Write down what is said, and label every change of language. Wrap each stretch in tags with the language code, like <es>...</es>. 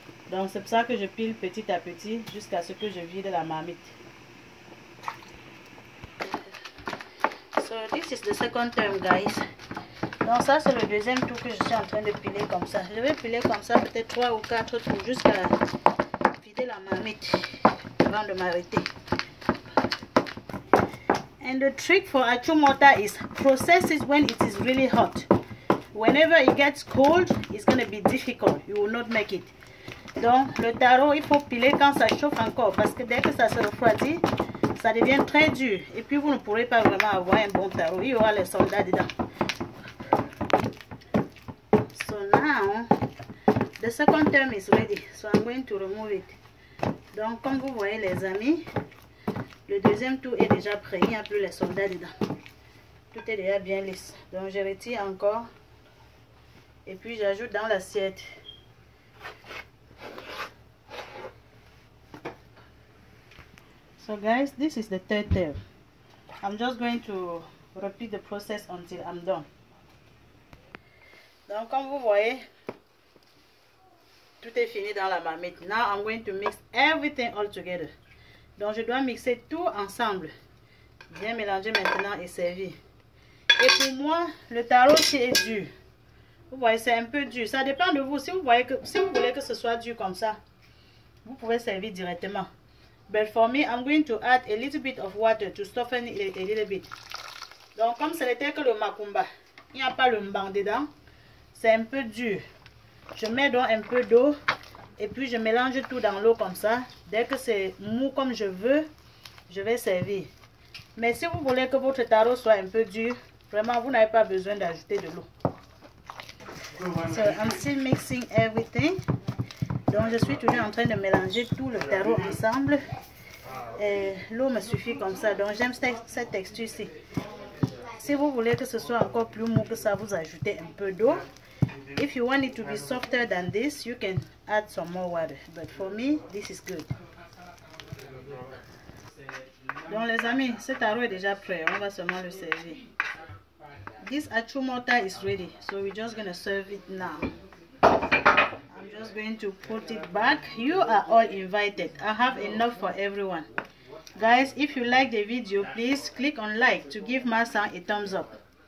<fr>Donc c'est pour ça que je pile petit à petit jusqu'à ce que je vide la marmite.</fr> <en>So this is the second term, guys.</en> <fr>Donc ça c'est le deuxième tour que je suis en train de piler comme ça. Je vais piler comme ça peut-être 3 ou 4 tours jusqu'à vider la marmite avant de m'arrêter.</fr> <en>And the trick for achu mortar is process it when it is really hot. Whenever it gets cold, it's going to be difficult. You will not make it.</en> <fr>Donc, le tarot, il faut piler quand ça chauffe encore. Parce que dès que ça se refroidit, ça devient très dur. Et puis, vous ne pourrez pas vraiment avoir un bon tarot. Il y aura les soldats dedans.</fr> <en>So now, the second term is ready. So I'm going to remove it.</en> <fr>Donc, comme vous voyez, les amis, le deuxième tour est déjà prêt, il n'y a plus les soldats dedans. Tout est déjà bien lisse. Donc je retire encore. Et puis j'ajoute dans l'assiette.</fr> <en>So guys, this is the third term. I'm just going to repeat the process until I'm done.</en> <fr>Donc comme vous voyez, tout est fini dans la marmite.</fr> <en>Now I'm going to mix everything all together.</en> <fr>Donc je dois mixer tout ensemble, bien mélanger maintenant et servir. Et pour moi, le tarot qui est dur, vous voyez, c'est un peu dur. Ça dépend de vous. Si vous voyez que, si vous voulez que ce soit dur comme ça, vous pouvez servir directement.</fr> <en>But for me, I'm going to add a little bit of water to soften it a little bit.</en> <fr>Donc comme ce n'était que le macumba, il n'y a pas le mbang dedans, c'est un peu dur. Je mets donc un peu d'eau. Et puis je mélange tout dans l'eau comme ça. Dès que c'est mou comme je veux, je vais servir. Mais si vous voulez que votre tarot soit un peu dur, vraiment vous n'avez pas besoin d'ajouter de l'eau.</fr> <en>So I'm still mixing everything.</en> <fr>Donc je suis toujours en train de mélanger tout le tarot ensemble. Et l'eau me suffit comme ça. Donc j'aime cette texture-ci. Si vous voulez que ce soit encore plus mou que ça, vous ajoutez un peu d'eau.</fr> <en>If you want it to be softer than this, you can add some more water. But for me, this is good.</en> <fr>Donc les amis, ce tarot est déjà prêt. On va seulement le servir.</fr> <en>This achu mortar is ready. So we're just going to serve it now. I'm just going to put it back. You are all invited. I have enough for everyone. Guys, if you like the video, please click on like to give Masan a thumbs up.</en>